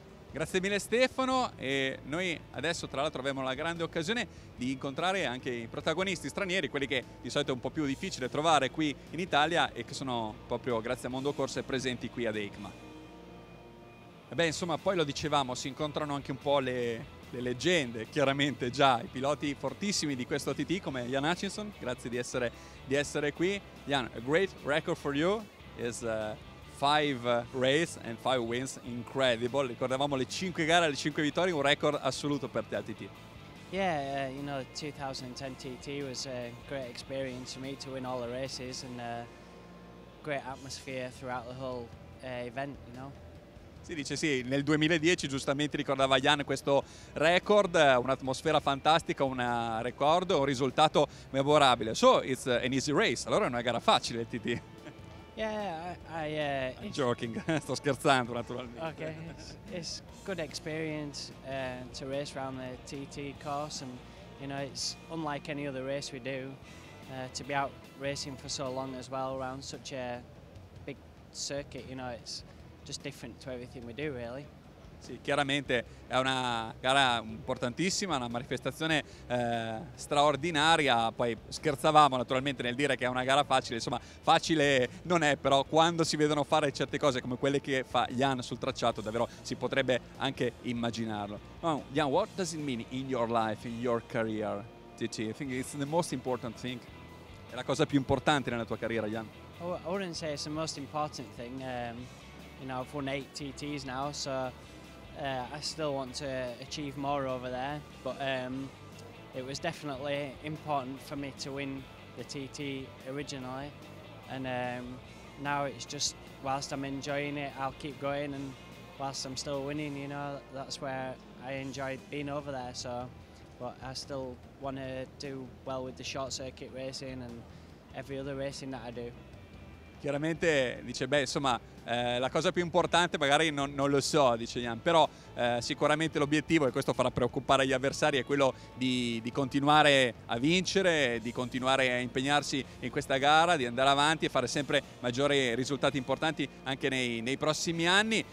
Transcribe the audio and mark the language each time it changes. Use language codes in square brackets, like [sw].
[it] Grazie mille Stefano, e noi adesso tra l'altro abbiamo la grande occasione di incontrare anche i protagonisti stranieri, quelli che di solito è un po' più difficile trovare qui in Italia e che sono proprio grazie a Mondo Corse presenti qui ad EICMA. E beh, insomma, poi lo dicevamo, si incontrano anche un po' le leggende, chiaramente già i piloti fortissimi di questo TT come Jan Hutchinson, grazie di essere qui. [en] Jan, a great record for you is 5 races and 5 wins, incredible. [it] Ricordavamo le 5 gare, le 5 vittorie, un record assoluto per te al TT. [en] Yeah, you know, 2010 TT was a great experience for me to win all the races and great atmosphere throughout the whole event, you know. [it] Si dice sì, nel 2010 giustamente ricordava Jan questo record, un'atmosfera fantastica, un record, un risultato memorabile. [en] So it's an easy race, [it] allora è una gara facile il TT. [en] Yeah, I'm joking, [it] sto scherzando naturalmente. [en] Ok, it's good experience to race around the TT course and you know it's unlike any other race we do, to be out racing for so long as well around such a big circuit, you know, it's just different to everything we do really. [it] Sì, chiaramente è una gara importantissima, una manifestazione straordinaria. Poi scherzavamo naturalmente nel dire che è una gara facile, insomma facile non è, però quando si vedono fare certe cose come quelle che fa Jan sul tracciato, davvero si potrebbe anche immaginarlo. [en] Well, Jan, what does it mean in your life, in your career, TT? I think it's the most important thing. [it] È la cosa più importante nella tua carriera, Jan? [en] Oh, I wouldn't say it's the most important thing. You know, I've won 8 TTs now, so I still want to achieve more over there, but it was definitely important for me to win the TT originally, and now it's just whilst I'm enjoying it, I'll keep going, and whilst I'm still winning, you know, that's where I enjoy being over there. So, but I still want to do well with the short circuit racing and every other racing that I do. [it] Chiaramente dice, beh, insomma, la cosa più importante magari non lo so, dice Jan, però sicuramente l'obiettivo, e questo farà preoccupare gli avversari, è quello di continuare a vincere, di continuare a impegnarsi in questa gara, di andare avanti e fare sempre maggiori risultati importanti anche nei prossimi anni.